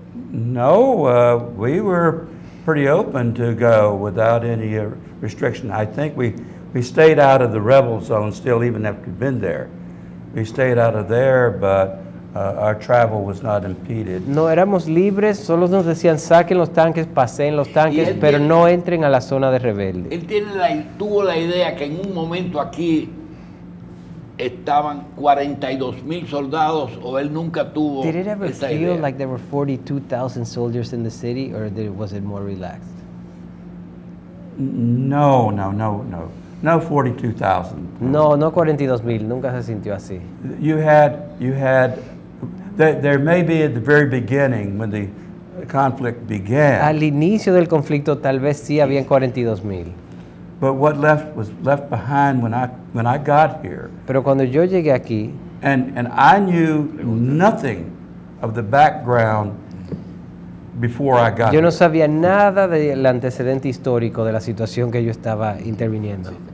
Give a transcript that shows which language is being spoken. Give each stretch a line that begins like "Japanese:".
English: No, we were pretty open to go without any restriction. I think we stayed out of the rebel zone still, even after we'd been there. We stayed out of there, but our travel was not impeded.
Spanish: No, éramos libres. Solo nos decían, saquen los tanques, paseen los tanques, pero no entren a la zona de rebelde. Él tuvo la idea que en un momento aquí estaban 42,000 soldados, o él nunca tuvo esa idea.
English: Did it ever feel like there were 42,000 soldiers in the city, or was it more relaxed?
Spanish: No. No, 42,000. No, 42,000. Nunca se sintió así.
English: You had. There may be at the very beginning when the conflict began.
Spanish: Al inicio del conflicto, tal vez sí habían 42,000.
English: But what was left behind when I got here.
Spanish: Pero cuando yo llegué aquí.
English: And I knew nothing of the background before I got here.
Spanish: Yo no sabía nada del antecedente histórico de la situación que yo estaba interviniendo.